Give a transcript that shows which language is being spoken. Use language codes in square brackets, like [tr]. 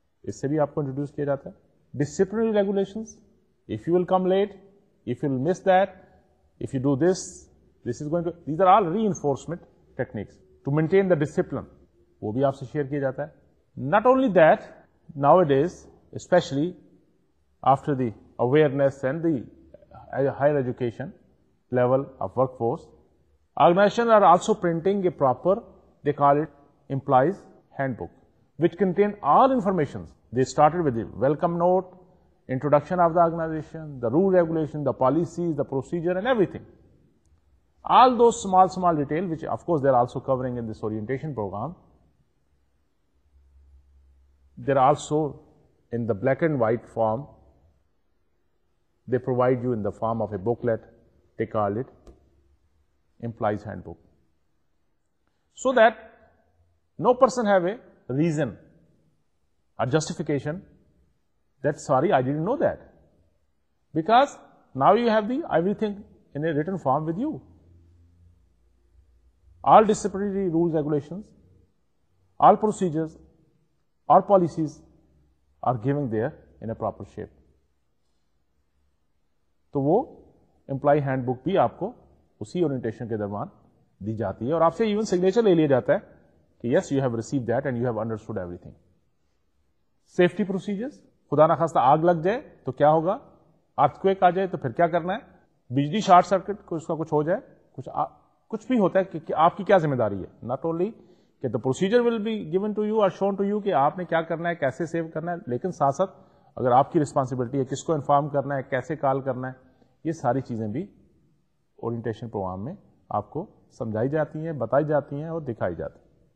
[ur] اس سے بھی آپ کو انٹروڈیوس کیا جاتا ہے. [en] disciplinary regulations, if you will come late, if you will miss that, if you do this, this is going to, these are all reinforcement techniques to maintain the discipline, [ur] وہ بھی آپ سے share کیا جاتا ہے. [en] Not only that, nowadays especially after the awareness and the higher education level of workforce, organization are also printing a proper, they call it employees handbook, which contain all information. They started with the welcome note, introduction of the organization, the rule regulation, the policies, the procedure, and everything. All those small, small details, which of course they are also covering in this orientation program, they are also in the black and white form. They provide you in the form of a booklet. They call it Employee's Handbook. So that no person have a reason or justification that sorry I didn't know that, because now you have the everything in a written form with you, all disciplinary rules, regulations, all procedures, our policies are giving there in a proper shape. [ur] تو وہ employee hand book بھی آپ کو اسی orientation کے درمیان دی جاتی ہے اور آپ سے ایون سگنیچر لے لیا جاتا ہے کہ [en] Yes you have receive that and you have understood everything. [ur] Safety procedures, خدا نخواستہ آگ لگ جائے تو کیا ہوگا, ارتھکویک آ جائے تو پھر کیا کرنا ہے, بجلی شارٹ سرکٹ اس کا کچھ ہو جائے, کچھ بھی ہوتا ہے کہ آپ کی کیا ذمہ داری ہے, ناٹ اونلی کہ [en] the procedure will be given to you [ur] are shown to you کہ آپ نے کیا کرنا ہے, کیسے سیو کرنا ہے, لیکن ساتھ ساتھ اگر آپ کی ریسپانسبلٹی ہے کس کو انفارم کرنا ہے, کیسے کال کرنا ہے, یہ ساری چیزیں بھی اورینٹیشن پروگرام میں آپ کو سمجھائی جاتی ہیں, بتائی جاتی ہیں اور دکھائی جاتی ہیں.